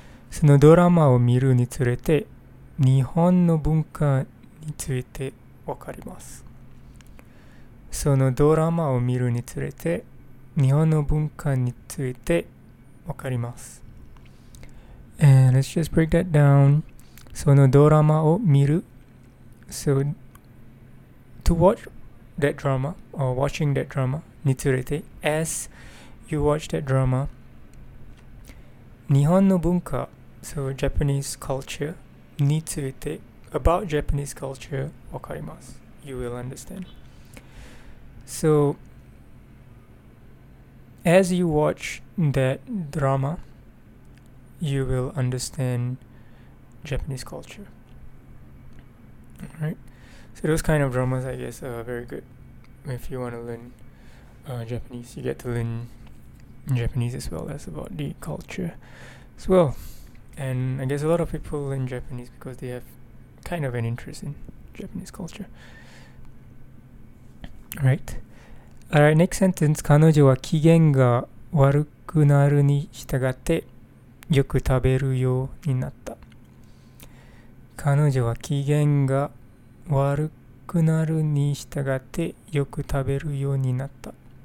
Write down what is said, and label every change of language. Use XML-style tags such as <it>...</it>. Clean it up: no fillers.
<ja>そのドラマを見るにつれて、日本の文化についてわかります。そのドラマを見るにつれて、日本の文化についてわかります。</ja> <en>And let's just break that down.</en> <ja>そのドラマを見る</ja> <en>So, to watch that drama, or watching that drama, nitsurete, as you watch that drama,</en> <ja>Nihon no bunka,</ja> <en>so Japanese culture, nitsurete, about Japanese culture,</en> <ja>wakarimasu,</ja> <en>you will understand. So, as you watch that drama, you will understand Japanese culture. Right, so those kind of dramas, I guess, are very good if you want to learn Japanese. You get to learn Japanese as well as about the culture as well. And I guess a lot of people learn Japanese because they have kind of an interest in Japanese culture. Right. All right, next sentence.</en> <ja>彼女は機嫌が悪くなるに従ってよく食べるようになった。彼女は機嫌が悪くなるに従ってよく食べるようになった。</ja>